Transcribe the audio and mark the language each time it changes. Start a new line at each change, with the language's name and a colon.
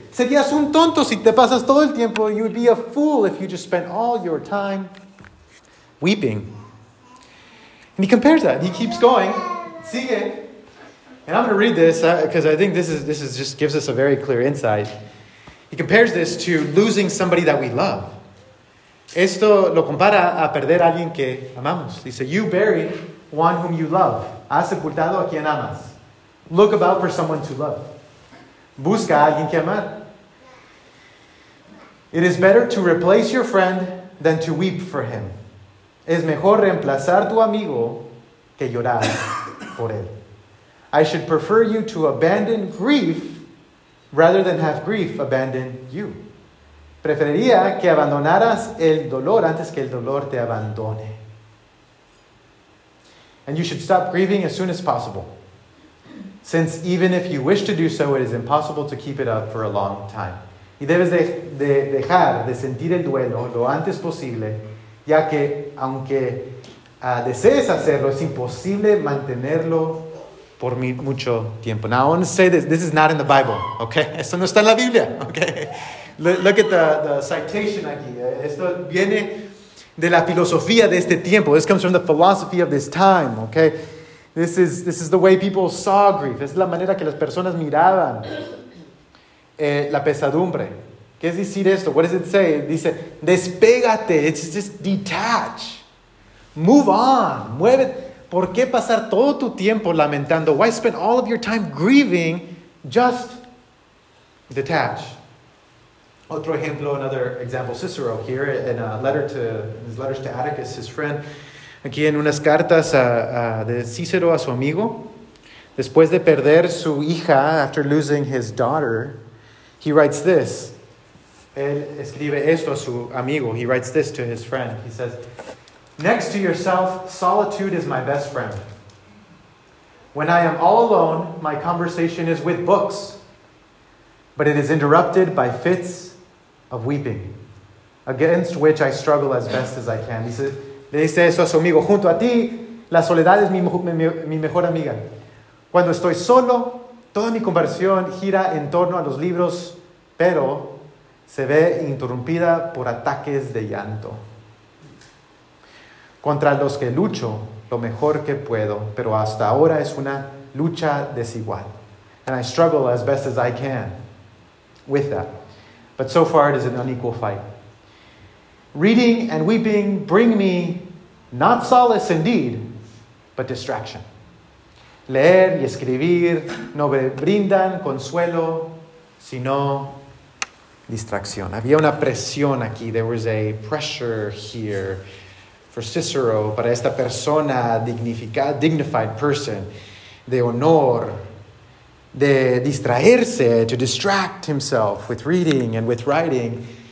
Spanish: Serías un tonto si te pasas todo el tiempo.
English: You would be a fool if you just spent all your time weeping. And he compares that. He keeps going.
Spanish: Sigue.
English: And I'm going to read this because I think this is just gives us a very clear insight. He compares this to losing somebody that we love.
Spanish: Esto lo compara a perder a alguien que amamos.
English: Dice, you bury one whom you love.
Spanish: Has sepultado a quien amas.
English: Look about for someone to love.
Spanish: Busca a alguien que amar.
English: It is better to replace your friend than to weep for him.
Spanish: Es mejor reemplazar tu amigo que llorar por él.
English: I should prefer you to abandon grief rather than have grief abandon you.
Spanish: Preferiría que abandonaras el dolor antes que el dolor te abandone.
English: And you should stop grieving as soon as possible, since even if you wish to do so, it is impossible to keep it up for a long time.
Spanish: Y debes de dejar de sentir el duelo lo antes posible, ya que aunque desees hacerlo, es imposible mantenerlo por mucho tiempo.
English: Now, I want to say this. This is not in the Bible, okay?
Spanish: Esto no está en la Biblia, okay?
English: Look at the citation aquí.
Spanish: Esto viene de la filosofía de este tiempo.
English: This comes from the philosophy of this time, okay? This is the way people saw grief.
Spanish: Es la manera que las personas miraban la pesadumbre. ¿Qué es decir esto?
English: What does it say?
Spanish: Dice, despégate.
English: It's just detach. Move on.
Spanish: Mueve. ¿Por qué pasar todo tu tiempo lamentando?
English: Why spend all of your time grieving? Just detach.
Spanish: Otro ejemplo,
English: another example, Cicero here in a letter to his letters to Atticus, his friend.
Spanish: Aquí en unas cartas de Cicero a su amigo, después de perder su hija,
English: after losing his daughter, he writes this.
Spanish: Él escribe esto a su amigo.
English: He writes this to his friend. He says, "Next to yourself, solitude is my best friend. When I am all alone, my conversation is with books, but it is interrupted by fits of weeping, against which I struggle as best as I can."
Spanish: Dice, le dice eso a su amigo. Junto a ti, la soledad es mi mejor amiga. Cuando estoy solo, toda mi conversación gira en torno a los libros, pero se ve interrumpida por ataques de llanto. Contra los que lucho lo mejor que puedo, pero hasta ahora es una lucha desigual.
English: And I struggle as best as I can with that. But so far it is an unequal fight. Reading and weeping bring me not solace indeed, but distraction.
Spanish: Leer y escribir no me brindan consuelo, sino distracción. Había una presión aquí.
English: There was a pressure here for Cicero,
Spanish: para esta persona
English: dignified person,
Spanish: de honor, de distraerse,
English: to distract himself with reading and with writing.